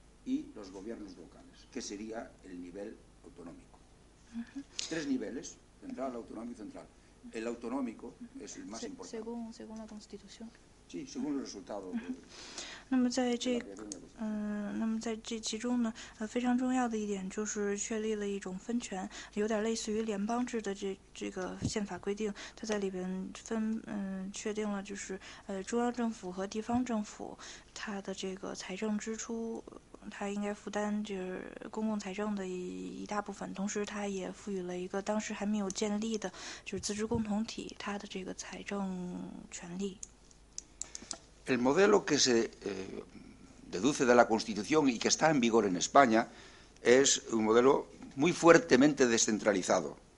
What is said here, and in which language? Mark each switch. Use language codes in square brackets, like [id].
[es] y los gobiernos locales, que sería el nivel autonómico. Tres niveles, central, autonómico y central. El autonómico es el más importante. Según la Constitución. Sí, según el resultado. [zh] 那么在这其中呢，非常重要的一点就是确立了一种分权，有点类似于联邦制的这个宪法规定，它在里边确定了就是中央政府和地方政府它的这个财政支出，它应该负担就是公共财政的一大部分，同时它也赋予了一个当时还没有建立的就是自治共同体它的这个财政权利。 [es] El modelo que se deduce de la Constitución y que está en vigor en España es un modelo muy fuertemente descentralizado.